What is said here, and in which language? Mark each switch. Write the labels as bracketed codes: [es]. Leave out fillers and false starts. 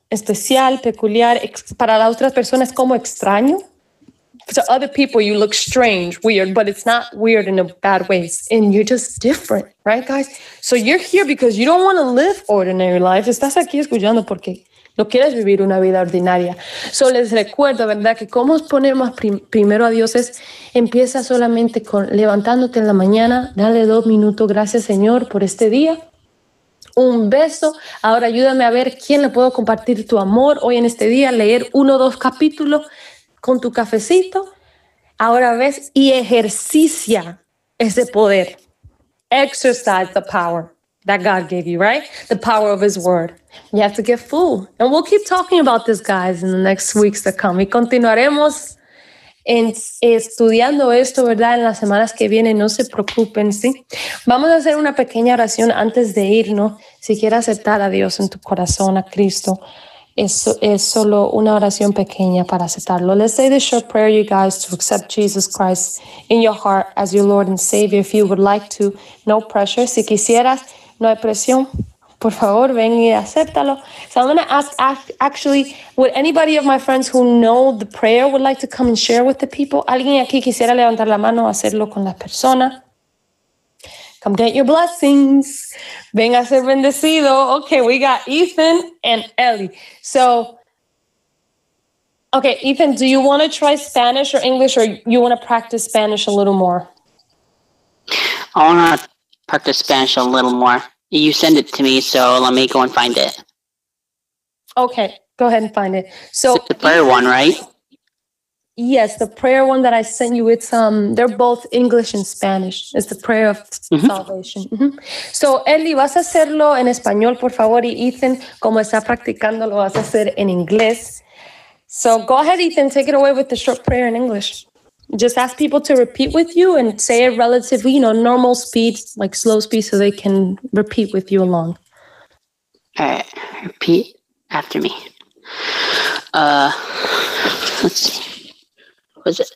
[es] Especial, peculiar, para las otras personas como extraño. [en] To other people, you look strange, weird, but it's not weird in a bad way. And you're just different, right, guys? So you're here because you don't want to live ordinary life. [es] Estás aquí escuchando porque no quieres vivir una vida ordinaria. So les recuerdo, ¿verdad?, que cómo poner más primero a Dios es empieza solamente con levantándote en la mañana, dale 2 minutos, gracias, Señor, por este día. Un beso. Ahora ayúdame a ver quién le puedo compartir tu amor hoy en este día. Leer 1 o 2 capítulos con tu cafecito. Ahora ves y ejercicia ese poder. [en] Exercise the power that God gave you, right? The power of His word. You have to get full. And we'll keep talking about this, guys, in the next weeks to come. [es] Y continuaremos estudiando esto, ¿verdad? En las semanas que vienen, no se preocupen, ¿sí? Vamos a hacer una pequeña oración antes de irnos. Si quieres aceptar a Dios en tu corazón, a Cristo, eso es solo una oración pequeña para aceptarlo. [en] Let's say this short prayer, you guys, to accept Jesus Christ in your heart as your Lord and Savior. If you would like to, no pressure. [es] Si quisieras, no hay presión. Por favor, ven y acéptalo. [en] So I'm going to ask, actually, would anybody of my friends who know the prayer would like to come and share with the people? [es] ¿Alguien aquí quisiera levantar la mano o hacerlo con la persona? [en] Come get your blessings. [es] Ven a ser bendecido. [en] Okay, we got Ethan and Ellie. So, okay, Ethan, do you want to try Spanish or English, or you want to practice Spanish a little more? I want to practice Spanish a little more. You send it to me, so let me go and find it. Okay, go ahead and find it. So it's the prayer one, right? Yes, the prayer one that I sent you, it's they're both English and Spanish. It's the prayer of salvation. Mm-hmm. [es] So, Ellie, vas a hacerlo en español, por favor. Y Ethan, como está practicando, lo vas a hacer en inglés. [en] So go ahead, Ethan, take it away with the short prayer in English. Just ask people to repeat with you and say it relatively, you know, normal speed, like slow speed, so they can repeat with you along. All right, repeat after me. Let's see. Was it?